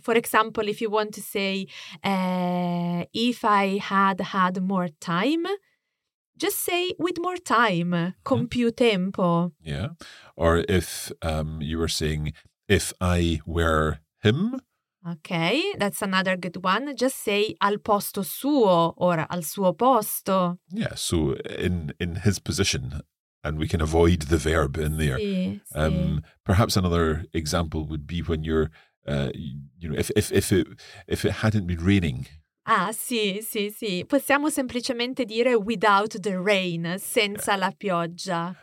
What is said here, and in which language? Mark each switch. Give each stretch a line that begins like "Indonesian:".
English: For example, if you want to say, if I had had more time, just say with more time,
Italian: con più tempo.
English: Yeah. Or if you were saying, if I were him. Okay, that's another good one. Just say
Italian: al posto suo or al suo posto.
English: Yeah, so in his position, and we can avoid the verb in there.
Italian: Sì, sì.
English: Perhaps another example would be when you're, if it hadn't been raining.
Italian: Ah, sì, sì, sì. Possiamo semplicemente dire
English: without the rain,
Italian: senza la pioggia.